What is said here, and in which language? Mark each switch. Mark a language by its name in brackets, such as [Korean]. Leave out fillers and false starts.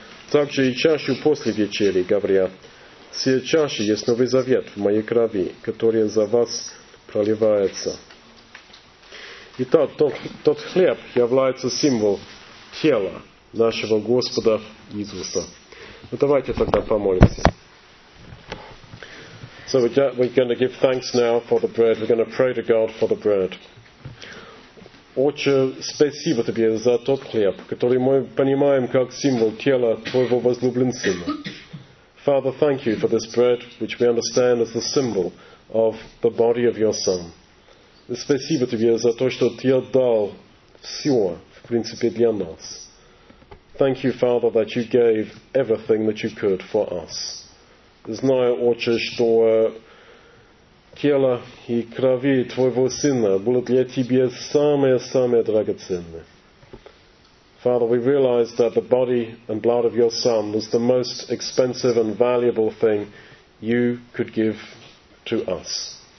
[Russian] Также и чашу после вечери, говоря, «Сие чаши есть новый завет в моей крови, которая за вас проливается». Итак, тот хлеб является символ тела нашего Господа Иисуса. Ну, давайте тогда помолимся. [English] So we're going to give thanks now for the bread. We're going to pray to God for the bread. [Russian] Отче, спасибо тебе за тот хлеб, который мы понимаем как символ тела твоего возлюбленного сына. [English] Father, thank you for this bread, which we understand as the symbol of the body of your son. [Russian] Спасибо тебе за то, что ты дал все, в принципе, для нас. [English] Thank you, Father, that you gave everything that you could for us. [Russian] Знаю, Отче, что тело и крови Твоего Сына было для Тебя самое-самое драгоценное. [English] Father, we realize that the body and blood of your Son was the most expensive and valuable thing you could give to us.